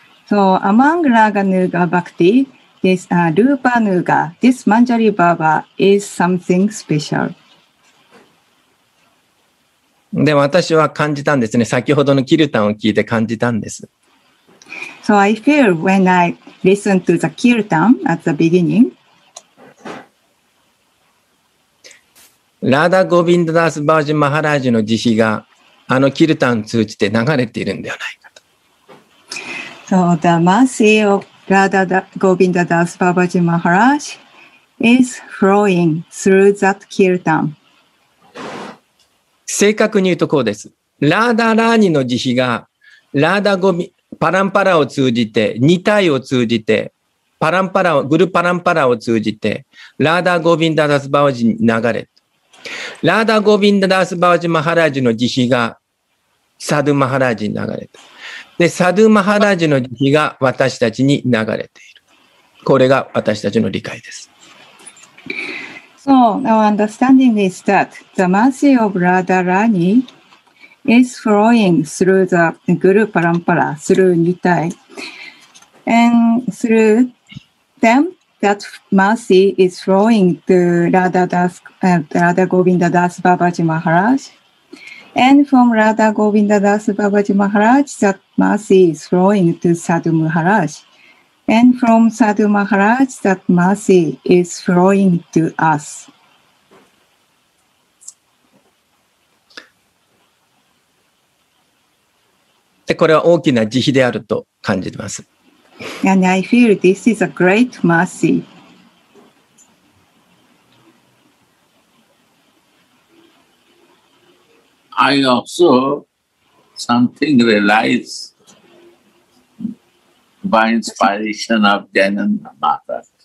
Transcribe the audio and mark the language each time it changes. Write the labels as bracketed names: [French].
[English] So, among ラガヌーガバクティ、this ルーパヌーガ、this マンジャリバーバ is something special. [Japanese] で、私は感じたんですね。先ほどのキルタンを聞いて感じたんです。 [English] So, I feel when I listen to the kirtan at the beginning, [Japanese] ラダ・ゴビンダ・ダース・バージ・マハラージの慈悲があのキルタンを通じて流れているんではないかと。 [English] So the mercy of Radha Govinda Das Babaji Maharaj is flowing through that kirtan. [Japanese] 正確に言うとこうです。ラダ・ラーニの慈悲がラダ・ゴビ、パランパラを通じて、ニタイを通じて、パランパラを、グルパランパラを通じて、ラダ・ゴビンダ・ダース・バージに流れて、ラーダ・ゴビンダ・ダース・バージ・マハラージの慈悲がサドゥ・マハラージに流れた。で、サドゥ・マハラージの慈悲が私たちに流れている。これが私たちの理解です。 [English] So, our understanding is that the mercy of Radha Rani is flowing through the Guru Parampara, through Nitai, and through them,That mercy is flowing to Radha Das, Radha Govinda Das Babaji Maharaj. And from Radha Govinda Das Babaji Maharaj, that mercy is flowing to Sadhu Maharaj. And from Sadhu Maharaj, that mercy is flowing to us. [Japanese] で、これは大きな慈悲であると感じます。 [English] And I feel this is a great mercy. I also something realize by inspiration of Jnana Mata.